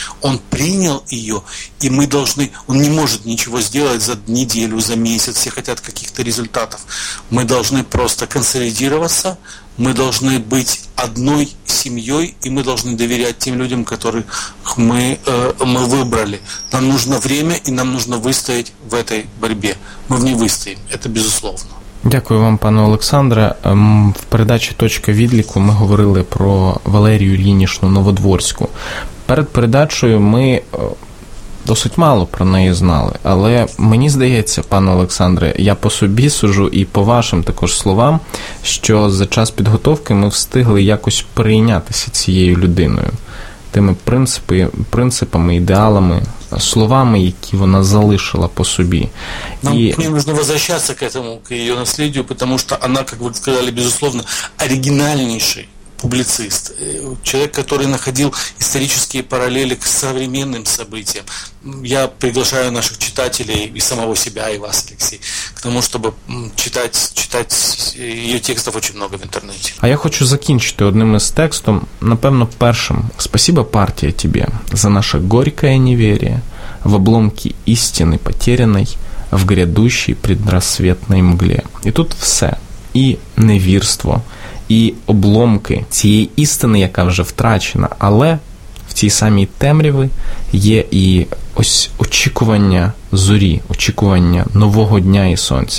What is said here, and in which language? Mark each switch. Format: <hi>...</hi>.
<ru>Он принял ее, и мы должны... Он не может ничего сделать за неделю, за месяц, все хотят каких-то результатов. Мы должны просто консолидироваться, мы должны быть одной семьей, и мы должны доверять тем людям, которых мы выбрали. Нам нужно время, и нам нужно выстоять в этой борьбе. Мы в ней выстоим, это безусловно.</ru> <uk>Дякую вам, пане Олександре. В передачі «Точка відліку» ми говорили про Валерію Ілінішну Новодворську. Перед передачею ми досить мало про неї знали, але мені здається, пане Олександре, я по собі сужу і по вашим також словам, що за час підготовки ми встигли якось прийнятися цією людиною, тими принципами, ідеалами, словами, які вона залишила по собі. Нам потрібно повертатися до цього, до її наслідю, тому що вона, як ви сказали, безусловно, оригінальніший публіцист,</uk> <ru>человек, который находил исторические параллели к современным событиям. Я приглашаю наших читателей, и самого себя, и вас, Алексей, к тому, чтобы читать ее текстов очень много в интернете.</ru> <uk>А я хочу закінчити одним із текстом, напевно, першим.</uk> <ru>Спасибо, партія, тебе за наше горькое неверие в обломке истины потерянной в грядущей предрассветной мгле. И тут все.</ru> <uk>И невірство, і обломки цієї істини, яка вже втрачена, але в цій самій темряві є і ось очікування зорі, очікування нового дня і сонця.</uk>